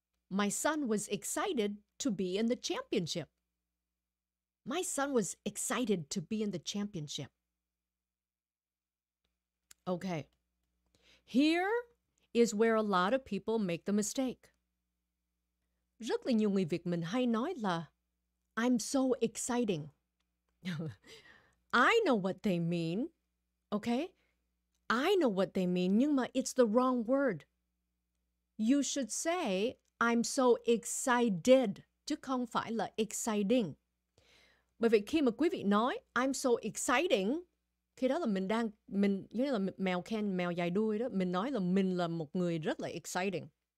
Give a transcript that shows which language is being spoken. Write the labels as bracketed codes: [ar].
[en] My son was excited to be in the championship. My son was excited to be in the championship. Okay. Here is where a lot of people make the mistake. [vi] Rất là nhiều người Việt mình hay nói là [en] I'm so exciting. I know what they mean, okay? I know what they mean, [vi] nhưng mà [en] it's the wrong word. You should say I'm so excited, [vi] chứ không phải là [en] exciting. [vi] Bởi vì khi mà quý vị nói [en] I'm so exciting, [vi] khi đó là mình như là mèo khen mèo dài đuôi đó, mình nói là mình là một người rất là exciting.